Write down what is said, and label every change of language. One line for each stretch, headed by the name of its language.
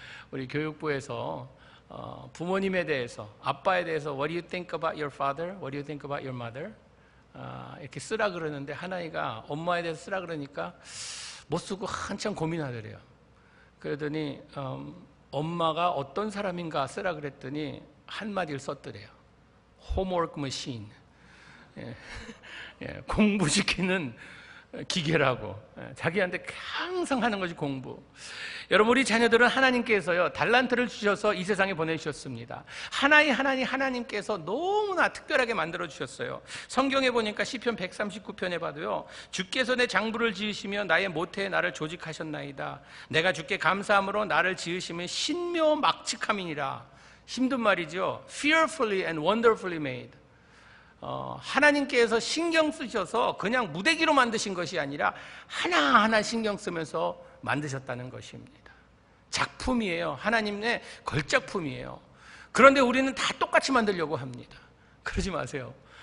Korean: 우리 교육부에서 부모님에 대해서 아빠에 대해서
English: What do you think about your father? What do you think about your mother?
Korean: 이렇게 쓰라 그러는데 한 아이가 엄마에 대해서 쓰라 그러니까 못 쓰고 한참 고민하더래요. 그러더니 엄마가 어떤 사람인가 쓰라 그랬더니 한마디를 썼더래요.
English: Homework machine.
Korean: 공부시키는 기계라고. 자기한테 항상 하는 것이 공부. 여러분 우리 자녀들은 하나님께서요 달란트를 주셔서 이 세상에 보내주셨습니다. 하나의 하나님 하나님께서 너무나 특별하게 만들어주셨어요. 성경에 보니까 시편 139편에 봐도요 주께서 내 장부를 지으시며 나의 모태에 나를 조직하셨나이다. 내가 주께 감사함으로 나를 지으시면 신묘막측함이니라. 힘든 말이죠.
English: Fearfully and wonderfully made.
Korean: 하나님께서 신경 쓰셔서 그냥 무대기로 만드신 것이 아니라 하나하나 신경 쓰면서 만드셨다는 것입니다. 작품이에요. 하나님의 걸작품이에요. 그런데 우리는 다 똑같이 만들려고 합니다. 그러지 마세요.